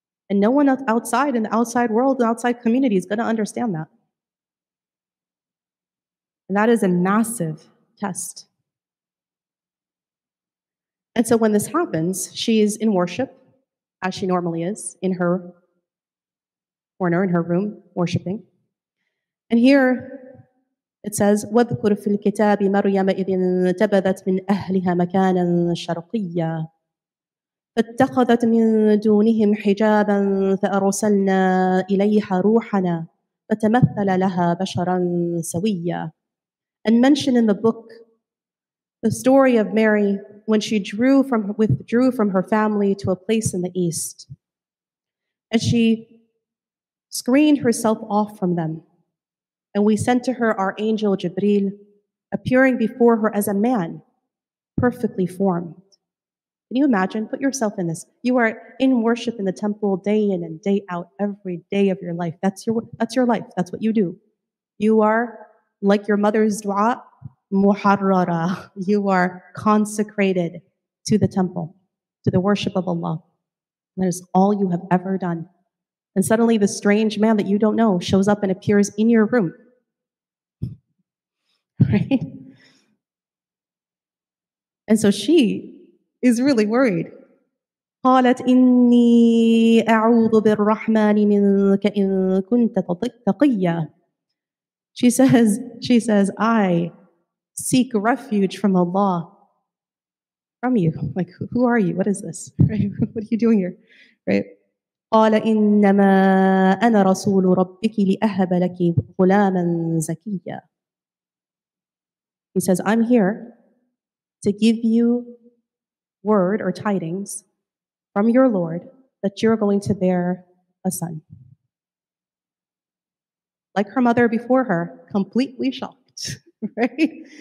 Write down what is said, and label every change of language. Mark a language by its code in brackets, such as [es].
[en] And no one outside in the outside world, the outside community is going to understand that. And that is a massive test. And so when this happens, she is in worship, as she normally is, in her corner, in her room, worshiping. And here it says, [ar] وَذْكُرْ فِي الْكِتَابِ مَرْيَمَ إِذِ انْتَبَذَتْ مِنْ أَهْلِهَا مَكَانًا شَرْقِيًّا فَاتَّخَذَتْ مِنْ دُونِهِمْ حِجَابًا فَأَرْسَلْنَا إِلَيْهَا رُوحَنَا فَتَمَثَّلَ لَهَا بَشَرًا سَوِيًّا. [en] And mention in the book the story of Mary when she withdrew from her family to a place in the east. And she screened herself off from them. And we sent to her our angel Jibril, appearing before her as a man, perfectly formed. Can you imagine? Put yourself in this. You are in worship in the temple day in and day out, every day of your life. That's your life. That's what you do. You are, like your mother's dua, muharrara. You are consecrated to the temple, to the worship of Allah. That is all you have ever done. And suddenly the strange man that you don't know shows up and appears in your room. Right? And so she is really worried. [ar] قالت إني أعوذ بالرحمن منك إن كنت تقيا. [en] She says, I seek refuge from Allah, from you. Like, who are you? What is this? What are you doing here? Right? [ar] قال إنما أنا رسول ربك لأهب لك غلاما زكيا. [en] He says, I'm here to give you word or tidings from your Lord that you're going to bear a son. Like her mother before her, completely shocked, right?